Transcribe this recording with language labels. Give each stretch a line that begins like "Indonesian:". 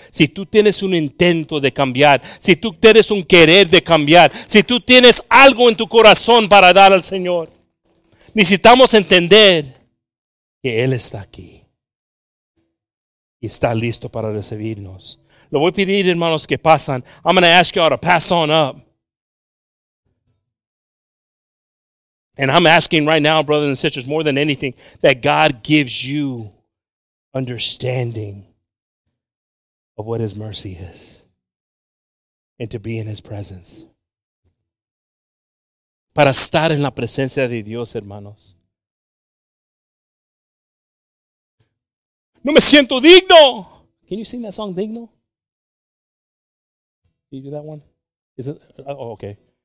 Spanish: Si tú tienes un intento de cambiar, si tú tienes un querer de cambiar, si tú tienes algo en tu corazón para dar al Señor, necesitamos entender que Él está aquí y está listo para recibirnos. Lo voy a pedir, hermanos, que pasan.
English: I'm going to ask you all to pass on up. And I'm asking right now, brothers and sisters, more than anything, that God gives you understanding of what his mercy is and to be in his presence.
Spanish: Para estar en la presencia de Dios, hermanos. No me siento digno.
English: Can you sing that song, Digno? Can you do that one? Is it? Oh, okay.